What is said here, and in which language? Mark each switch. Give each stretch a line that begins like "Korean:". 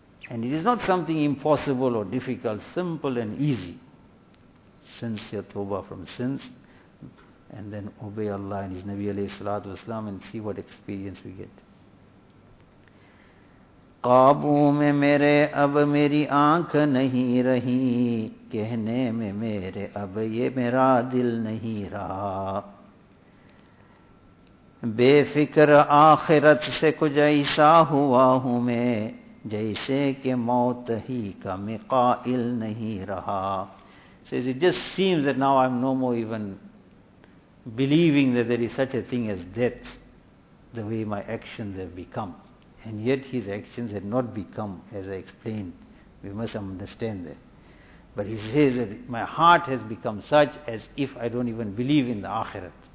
English: And it is not something impossible or difficult, simple and easy. Sincere tawbah from sins, and then obey Allah and His Nabi alayhi salatu wasalam, and see what experience we get.
Hindi: काबू में मेरे अब मेरी आंख नहीं रही कहने में मेरे अब ये मेरा दिल नहीं रहा बेफिक्र आखिरत से कुछ ऐसा हुआ हूँ मैं जैसे कि मौत ही का मैं काइल नहीं रहा
English: says it just seems that now I'm no more even believing that there is such a thing as death the way my actions have become. And yet his actions had not become, as I explained, we must understand that. But he says that my heart has become such as if I don't even believe in the akhirat.